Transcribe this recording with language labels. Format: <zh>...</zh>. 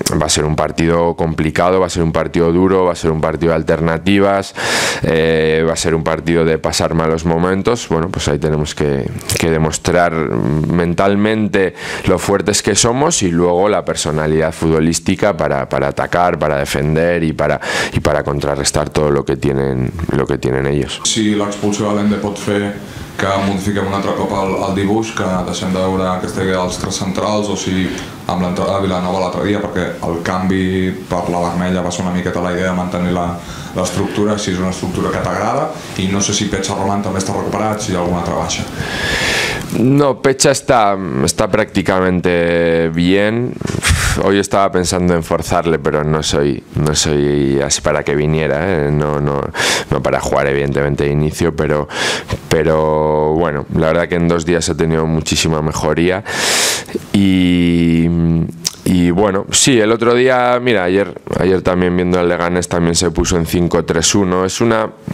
<es>Va a ser un partido complicado, va a ser un partido duro, va a ser un partido de alternativas, va a ser un partido de pasar malos momentos. Bueno, pues ahí tenemos que demostrar mentalmente lo fuertes que somos y luego la personalidad futbolística para atacar, para defender y para contrarrestar todo lo que tienen ellos.</es> <ca>Si l'expulsió de l'Ende pot fer que modifiquem un altre cop el dibuix, que deixem de veure aquesta idea dels tres centrals, o si amb l'entrada de Vilanova l'altre dia, perquè el canvi per la vermella va ser una miqueta la idea de mantenir l'estructura, si és una estructura que t'agrada, i no sé si Pecha Roland també està recuperat, si hi ha alguna altra baixa.</ca> <es>No, Pecha está prácticamente bien. Hoy estaba pensando en forzarle, pero no soy así para que viniera, no para jugar evidentemente de inicio, pero bueno, la verdad que en dos días he tenido muchísima mejoría y bueno, sí, el otro día, mira, ayer también viendo al Leganés también se puso en 5-3-1.</es>